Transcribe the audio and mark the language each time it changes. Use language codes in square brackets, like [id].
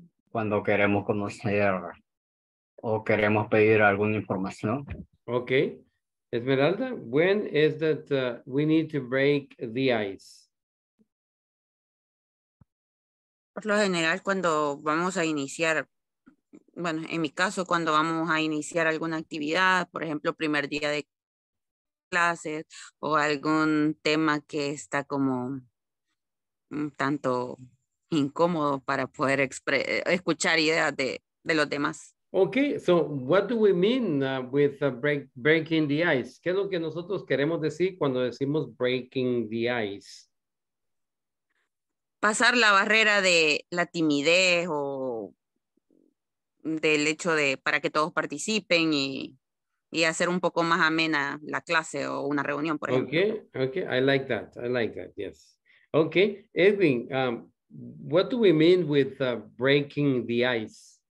[es] Cuando queremos conocer o queremos pedir alguna información. [en] Okay. Esmeralda, when is that we need to break the ice? [es] Por lo general, cuando vamos a iniciar, bueno, en mi caso, cuando vamos a iniciar alguna actividad, por ejemplo, primer día de clases o algún tema que está como un tanto incómodo para poder escuchar ideas de los demás. [en] Okay, so what do we mean with breaking the ice? [es] ¿Qué es lo que nosotros queremos decir cuando decimos [en] breaking the ice? [es] Pasar la barrera de la timidez o del hecho de para que todos participen y hacer un poco más amena la clase o una reunión, por ejemplo. [en] Okay, I like that, yes. Okay, Edwin, what do we mean with breaking the ice?